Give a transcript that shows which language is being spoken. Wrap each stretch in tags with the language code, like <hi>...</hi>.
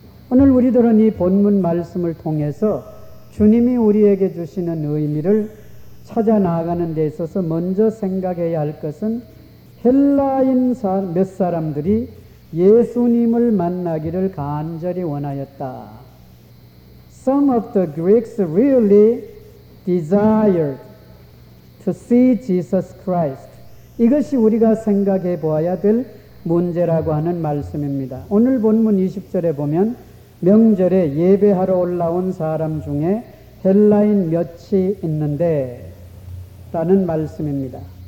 <ko>오늘 우리들은 이 본문 말씀을 통해서 주님이 우리에게 주시는 의미를 찾아 나아가는 데 있어서 먼저 생각해야 할 것은 헬라인 몇 사람들이 예수님을 만나기를 간절히 원하였다.</ko> <en>Some of the Greeks really desired to see Jesus Christ.</en> <ko>이것이 우리가 생각해 보아야 될 문제라고 하는 말씀입니다. 오늘 본문 20절에 보면 명절에 예배하러 올라온 사람 중에 헬라인 몇이 있는데 라는 말씀입니다.</ko>